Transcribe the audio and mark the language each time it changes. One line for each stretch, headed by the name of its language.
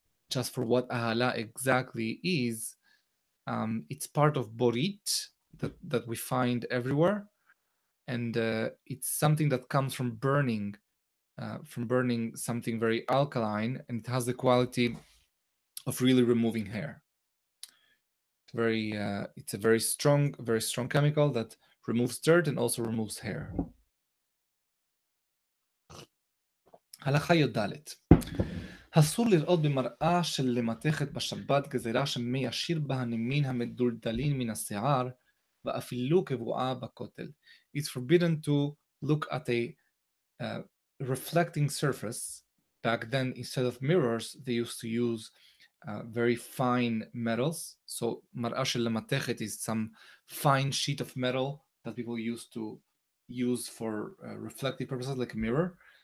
English: just for what ahala exactly is, it's part of borit that we find everywhere, and it's something that comes from burning something very alkaline, and it has the quality of really removing hair. It's a very strong chemical that removes dirt and also removes hair.
Hebrew: Halacha yodalet. אסור לראות במראה של למתכת בשבת גזירה שמיישיר בה הנימין המדולדלין מן השיער ואפילו קבועה בכותל.
English: It's forbidden to look at a reflecting surface. Back then, instead of mirrors, they used to use very fine metals. So
Hebrew: מראה של למתכת
English: is some fine sheet of metal that people used to use for reflective purposes, like a mirror.